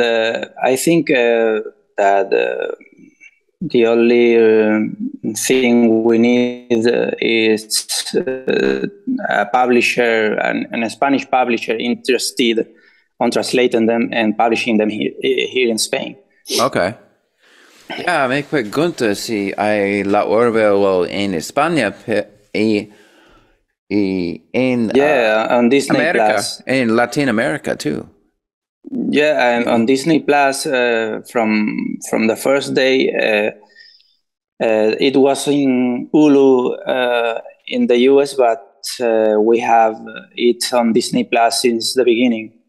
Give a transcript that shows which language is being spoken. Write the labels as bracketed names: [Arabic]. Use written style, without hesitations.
[English] I think that the only thing we need is a publisher, a Spanish publisher interested on translating them and publishing them here in Spain. Okay. [Spanish] Yeah, me pregunto si hay la Orville en España y en [English] On Disney America, Plus. In Latin America too. Yeah, and on Disney Plus from the first day, it was in Hulu in the US, but we have it on Disney Plus since the beginning.